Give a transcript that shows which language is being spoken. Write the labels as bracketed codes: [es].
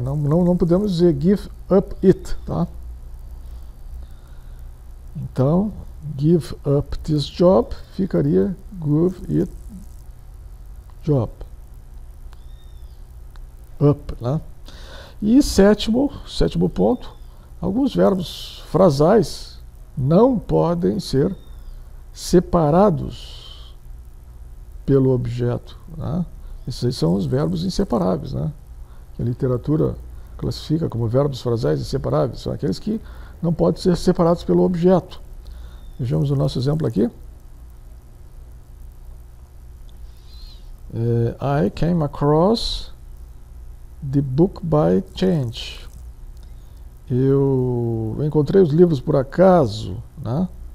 [pt] Não podemos dizer [en] give up it, [pt] tá? Então, [en] give up this job [pt] ficaria [en] give it job. Up, [pt] né? E sétimo ponto, alguns verbos frasais não podem ser separados pelo objeto, né? Esses aí são os verbos inseparáveis, né? Que a literatura classifica como verbos frasais inseparáveis, são aqueles que não podem ser separados pelo objeto. Vejamos o nosso exemplo aqui. [en] I came across the book by chance. [pt] Eu encontrei os livros por acaso, né?